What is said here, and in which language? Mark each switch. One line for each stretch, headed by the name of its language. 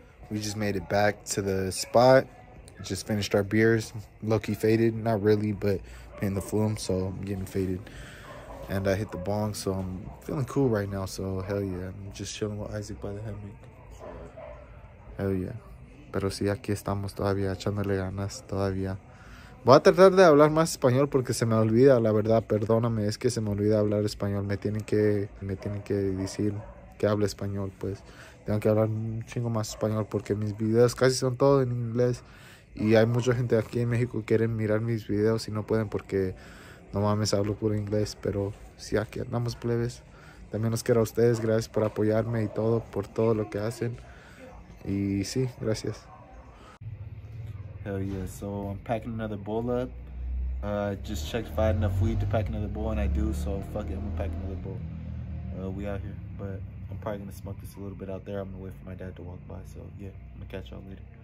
English: We just made it back to the spot. Just finished our beers. Low-key faded. Not really, but paying the flum. So I'm getting faded. And I hit the bong. So I'm feeling cool right now. So hell yeah. I'm just chilling with Isaac by the hammock. Hell yeah.
Spanish: Pero si aquí estamos todavía echándole ganas todavía. Voy a tratar de hablar más español porque se me olvida, la verdad, perdóname, es que se me olvida hablar español, me tienen que decir que hable español, pues, tengo que hablar un chingo más español porque mis videos casi son todos en inglés y hay mucha gente aquí en México que quieren mirar mis videos y no pueden porque no mames hablo puro inglés, pero sí, aquí andamos plebes, También los quiero a ustedes, gracias por apoyarme y todo, por todo lo que hacen. Y sí, gracias.
English: Hell yeah, so I'm packing another bowl up. Just checked if I had enough weed to pack another bowl, and I do, so fuck it, I'm gonna pack another bowl. We out here, but I'm probably gonna smoke this a little bit out there. I'm gonna wait for my dad to walk by, so yeah, I'm gonna catch y'all later.